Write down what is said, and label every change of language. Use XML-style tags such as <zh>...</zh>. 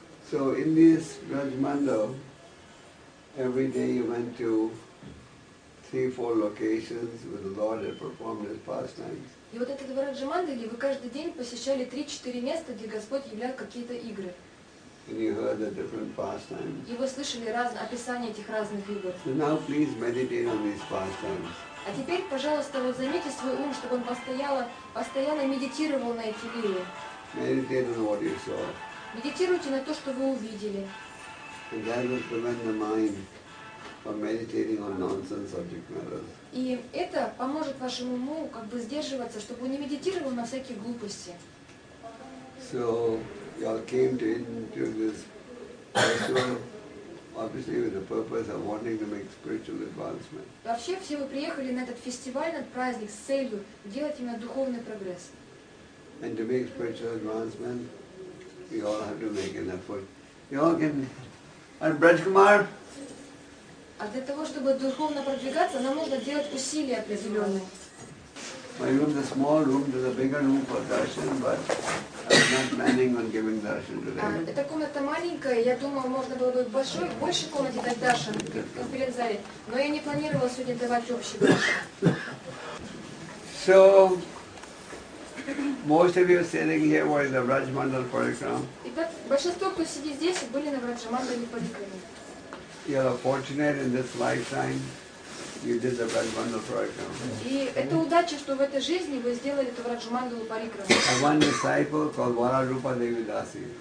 <en>So in this Brajmandal, every day you went to 3-4 locations where the Lord had performed His pastimes.</en> <ru>И вот этот Брадж-мандал, вы каждый день посещали 3-4 места, где Господь являл какие-то игры.</ru> <en>And you heard the different pastimes.</en> <ru>И вы слышали описание этих разных игр.</ru> <en>So now please meditate on these pastimes.</en> <ru>А теперь, пожалуйста, вот займите свой ум, чтобы он постоянно медитировал на эти лилии.</ru> <en>Meditate on what you saw.</en> <ru>Медитируйте на то, что вы увидели.</ru> <en>And that will prevent the mind from meditating on nonsense subject matters.</en> <ru>И это поможет вашему уму как бы сдерживаться, чтобы он не медитировал на всякие глупости.</ru> <en>So, y'all came to into this festival obviously with the purpose of wanting to make spiritual advancement.</en> <ru>Вообще все вы приехали на этот фестиваль, на этот праздник с целью делать именно духовный прогресс.</ru> <en>And to make spiritual advancement, we all have to make an effort. You all can. And Braj Kumar.</en> <ru>А для того, чтобы духовно продвигаться, нам нужно делать усилия определенные.</ru> <en>My room is a small room, there's a bigger room for darshan, but I'm not planning on giving darshan today.</en> <ru>Эта комната маленькая, я думаю, можно было бы больше комнате дать даршан в конференц-зале, но я не планировала сегодня давать общий даршан.</ru> <en>So, most of you sitting here were in the Brajmandal Parikram.</en> <ru>Итак, большинство, кто сидит здесь, были на Брадж-мандале Парикраме.</ru> <en>You are fortunate in this lifetime you did the Раджа-мандала парикрама.</en> <ru>И это удача, что в этой жизни вы сделали эту Раджа-мандалу парикраму.</ru> <en>One disciple called Вара-рупа Девидаси.</en>